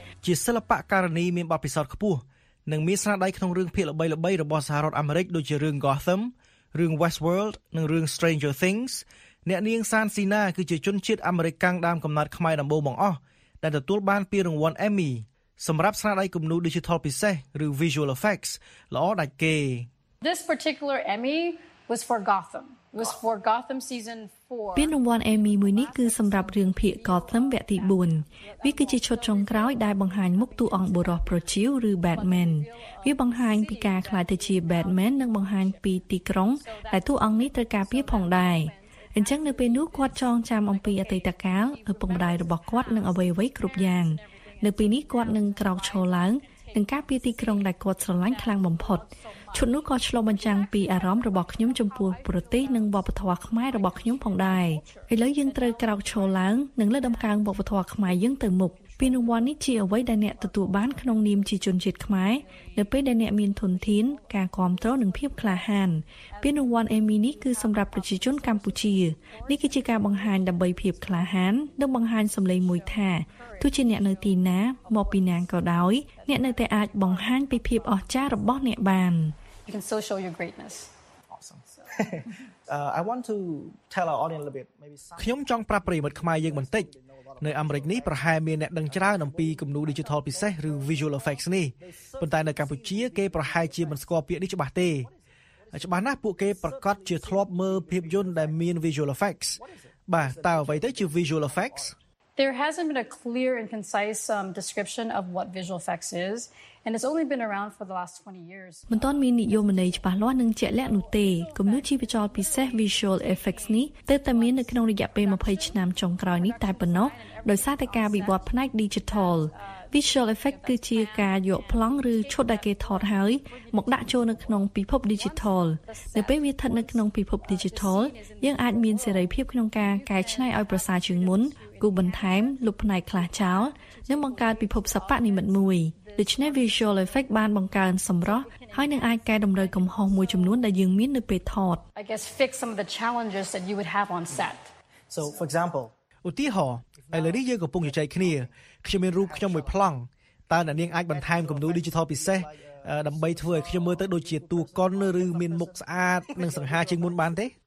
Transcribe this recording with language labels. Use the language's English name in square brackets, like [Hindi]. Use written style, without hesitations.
[Khmer] ជាសិល្បៈការនីមានបទពិសោធន៍ខ្ពស់និងមានស្នាដៃក្នុងរឿងភាគល្បីៗរបស់សហរដ្ឋអាមេរិកដូចជារឿង Gotham រឿង Westworld និងរឿង Stranger Things អ្នកនាងសានស៊ីណាគឺជាជនជាតិអាមេរិកកាំងដើមកំណើតខ្មែរដំបូងបង្អស់ដែលទទួលបានពានរង្វាន់ Emmy សម្រាប់ស្នាដៃគំនូរ Digital ពិសេសឬ Visual Effects ល្អដាច់គេ [English] This particular Emmy was for GothamWas for Gotham season 4. [Khmer] ពានរង្វាន់ Emmy មួយនេះគឺសម្រាប់រឿងភាគ Gotham វគ្គទី4. វាគឺជាឈុតចុងក្រោយដែលបង្ហាញមុខតួអង្គបុរសប្រជាវឬ Batman. វាបង្ហាញពីការក្លាយទៅជា Batman និងបង្ហាញពីទីក្រុងដែលតួអង្គនេះត្រូវការពារផងដែរ. អញ្ចឹងនៅពេលនោះគាត់ចងចាំអំពីអតីតកាលឪពុកម្ដាយរបស់គាត់និងអ្វីៗគ្រប់យ៉ាងនៅពេលនេះគាត់នឹងក្រោកឈរឡើងនឹងការពារទីក្រុងដែលគាត់ស្រឡាញ់ខ្លាំងបំផុត ឈុតនោះក៏ឆ្លុះបញ្ចាំងពីអារម្មណ៍របស់ខ្ញុំចំពោះប្រទេសនិងវប្បធម៌ខ្មែររបស់ខ្ញុំផងដែរឥឡូវយើងត្រូវក្រោកឈរឡើងនិងលើកដំកើងវប្បធម៌ខ្មែរយើងទៅមុខពានរង្វាន់នេះជាអ្វីដែលអ្នកទទួលបានក្នុងនាមជាជនជាតិខ្មែរនៅពេលដែលអ្នកមានធនធានការគ្រប់គ្រងនិងភាពក្លាហាន ពានរង្វាន់អេមីនេះគឺសម្រាប់ប្រជាជនកម្ពុជានេះគឺជាការបង្ហាញដើម្បីភាពក្លាហាននិងបង្ហាញសម្លេងមួយថាទោះជាអ្នកនៅទីណាមកពីណាក៏ដោយអ្នកនៅតែអាចបង្ហាញពីភាពអស្ចារ្យរបស់អ្នកបាន [English] You can still show your greatness. Awesome. I want to tell our audience a little bit. [Khmer] ខ្ញុំចង់ប្រាប់ប្រិមិត្តខ្មែរយើងបន្តិចនៅអាមេរិកនេះប្រហែលមានអ្នកដឹងច្រើនអំពីគំនូរ Digital ពិសេសឬ Visual Effects នេះប៉ុន្តែនៅកម្ពុជាគេប្រហែលជាមិនស្គាល់ពាក្យនេះច្បាស់ទេច្បាស់ណាស់ពួកគេប្រកាសជាធ្លាប់មើលភាពយន្តដែលមាន Visual Effects បាទតើអ្វីទៅជា Visual Effects [English] There hasn't been a clear and concise description of what Visual Effects is and it's only been around for the last 20 years [Khmer] មិនទាន់មាននិយមន័យច្បាស់លាស់នឹងជាក់លាក់នោះទេគំនូរជីវចលពិសេស Visual Effects នេះទើបតែមាននៅក្នុងរយៈពេល20ឆ្នាំចុងក្រោយនេះតែប៉ុណ្ណោះដោយសារតែការវិវត្តផ្នែក Digital Visual Effect គឺជាការយកប្លង់ឬឈុតដែលគេថតហើយមកដាក់ចូលនៅក្នុងពិភព Digital នៅពេលវាស្ថិតនៅក្នុងពិភព Digital យើងអាចមានសេរីភាពក្នុងការកែច្នៃឲ្យប្រសើរជាងមុនគូបន្ថែមលុបផ្នែកខ្លះចោលនិងបង្កើតពិភពសិល្បៈនិមិត្តមួយដូច្នេះ Visual Effect បានបង្កើនសម្រស់ហើយនឹងអាចកែតម្រូវកំហុសមួយចំនួនដែលយើងមាននៅពេលថត [English] I guess fix some of the challenges that you would have on set So for example [Khmer] ឧទាហរណ៍ឥឡូវនេះយើងកំពុងជជែកគ្នាខ្ញុំមានរូបខ្ញុំមួយប្លង់តើអ្នកនាងអាចបន្ថែមគំនូរ Digital ពិសេសដើម្បីធ្វើឲ្យខ្ញុំមើលទៅដូចជាតួកុនឬមានមុខស្អាតនិងសង្ហាជាងមុនបានទេ